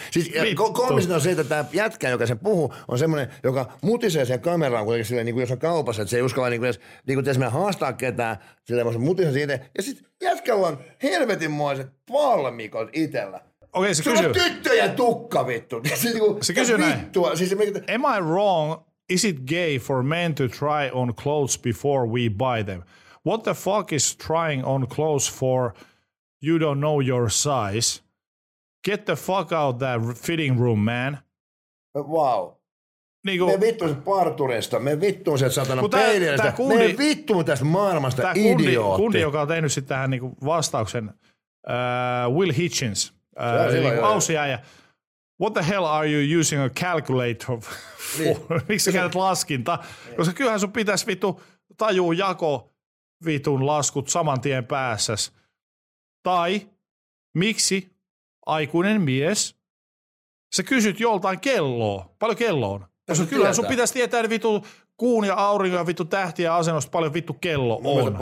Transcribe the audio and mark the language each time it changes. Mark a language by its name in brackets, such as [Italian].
[Finnish] Siis koomisin on se, että tämä jätkä, joka sen puhuu, on semmoinen, joka mutisee sen kameraan, kuitenkin silleen, niin kuin jos on kaupassa, että se ei uskalla niin kuin haastaa ketään, silleen voisi mutisee siitä, ja sitten jätkällä on helvetinmoiset palmikot itellä. Okei, se kysyy. Se on tyttöjen tukka, vittu. Se kysyy näin. Siis [English] am I wrong? Is it gay for men to try on clothes before we buy them? What the fuck is trying on clothes for? You don't know your size. Get the fuck out that fitting room, man. Wow. [Finnish] Niinku, me vittuun sen parturista, me vittuun sen satana peilijästä, me vittuun tästä maailmasta, tää idiootti. Tämä kundi, joka on tehnyt sitten tähän niinku vastauksen, Will Hitchens, ausiäjä. [English] What the hell are you using a calculator for? [Finnish] Niin. Miksi sä käytät laskinta? Niin. Koska kyllähän sun pitäisi vittu tajuu jako vitun laskut saman tien päässäs. Tai miksi aikuinen mies, sä kysyt joltain kelloa, paljon kello on? Kyllähän sun pitäisi tietää ne vittu kuun ja aurinko ja vittu tähtiä asennosta, paljon vittu kello on.